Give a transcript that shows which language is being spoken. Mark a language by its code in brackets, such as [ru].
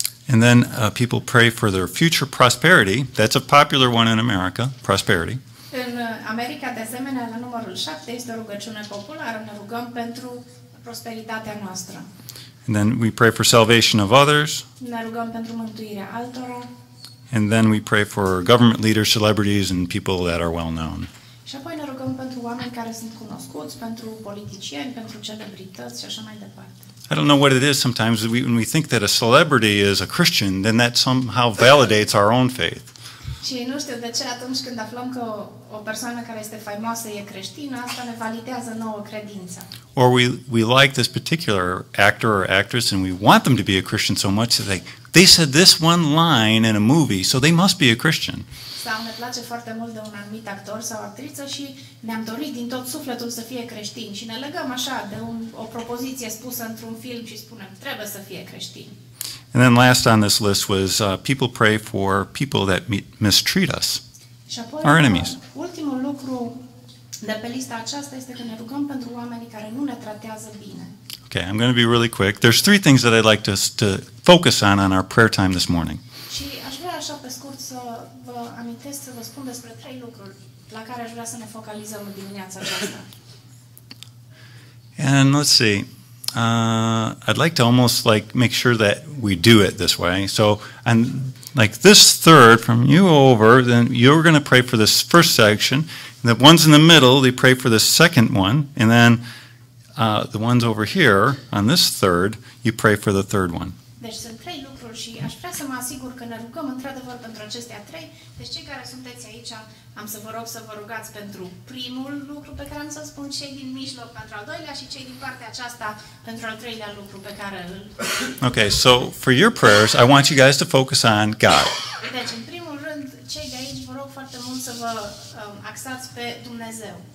[en] And then people pray for their future prosperity. That's a popular one in America, prosperity. [ro] În America de asemenea, la numărul 7 este o rugăciune populară, ne rugăm pentru prosperitatea noastră. [en] And then we pray for salvation of others. [ro] Ne rugăm pentru mântuirea altora. [en] And then we pray for government leaders, celebrities, and people that are well known. [ro] Și apoi ne rugăm pentru oameni care sunt cunoscuți, pentru politicieni, pentru celebrități și așa mai departe. [en] I don't know what it is sometimes when we think that a celebrity is a Christian, then that somehow validates our own faith. [ro] Și nu știu de ce atunci când aflăm că o persoană care este faimoasă e creștină, asta ne validează nouă credința. [en] Or we like this particular actor or actress and we want them to be a Christian so much that they said this one line in a movie, so they must be a Christian. [ro] Sau ne place foarte mult de un anumit actor sau actriță și ne-am dorit din tot sufletul să fie creștin și ne legăm așa de o propoziție spusă într-un film și spunem trebuie să fie creștin. [en] And then last on this list was people pray for people that mistreat us, [ro] apoi, [en] our enemies. [ro] Ultimul lucru de pe lista aceasta este că ne rugăm pentru oamenii care nu ne tratează bine. [en] Okay, I'm going to be really quick. There's three things that I'd like to focus on our prayer time this morning. [ro] Și aș vrea așa pe scurt să vă amintesc, să vă spun despre trei lucruri la care aș vrea să ne focalizăm în dimineața aceasta. [en] And let's see. I'd like to almost like make sure that we do it this way. So, and like this third from you over, then you're going to pray for this first section. The ones in the middle, they pray for the second one. And then The ones over here, on this third, you pray for the third one. [ro] Deci sunt trei lucruri și aș vrea să mă asigur că ne rugăm într-adevăr pentru acestea trei. Deci cei care sunteți aici, am să vă rog să vă rugați pentru primul lucru pe care am să spun, cei din mijloc pentru al doilea și cei din partea aceasta pentru al treilea lucru pe care îl... [en] Okay, so for your prayers, I want you guys to focus on God. [ro] Deci, în primul rând, cei de aici vă rog foarte mult să vă axați pe Dumnezeu.